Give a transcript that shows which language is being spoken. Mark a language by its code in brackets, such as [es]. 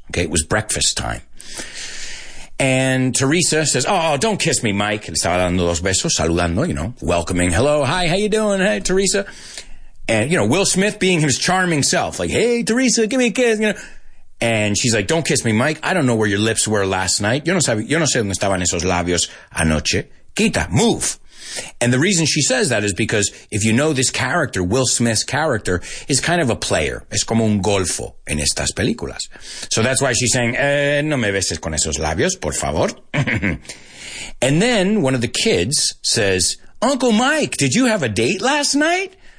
[en] Okay, it was breakfast time. And Teresa says, oh, don't kiss me, Mike. [es] Le estaba dando los besos, saludando, [en] you know, welcoming. Hello, hi, how you doing? Hey, Teresa. And, you know, Will Smith being his charming self, like, hey, Teresa, give me a kiss, you know. And she's like, don't kiss me, Mike. I don't know where your lips were last night. [es] Yo no sé dónde estaban esos labios anoche. Quita, [en] move. And the reason she says that is because if you know this character, Will Smith's character, is kind of a player. [es] Es como un golfo en estas películas. [en] So that's why she's saying, [es] no me beses con esos labios, por favor. [en] And then one of the kids says, Uncle Mike, did you have a date last night?